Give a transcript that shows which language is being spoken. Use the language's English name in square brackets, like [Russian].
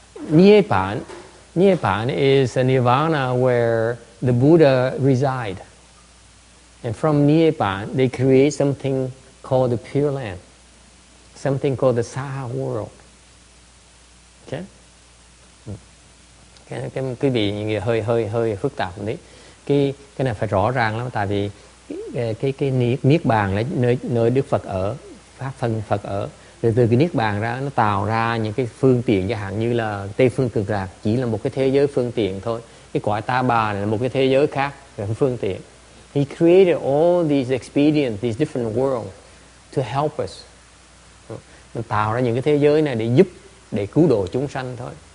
[English] Niebbana is a nirvana where the Buddha reside. And from Niebbana, they create something called the Pure Land, something called the Saha World. Okay? [Vietnamese] Quý vị hơi hơi hơi phức tạp một tí. Cái này phải rõ ràng lắm, tại vì cái Niết Bàn là nơi Đức Phật ở, Pháp Thân Phật ở. Rồi từ cái Niết Bàn ra, nó tạo ra những cái phương tiện, chẳng hạn như là Tây Phương Cực Lạc, chỉ là một cái thế giới phương tiện thôi. cái quả ta bà này là một cái thế giới khác, là phương tiện. [English] He created all these experiences, these different worlds to help us. [Vietnamese] Nó tạo ra những cái thế giới này để giúp, để cứu độ chúng sanh thôi.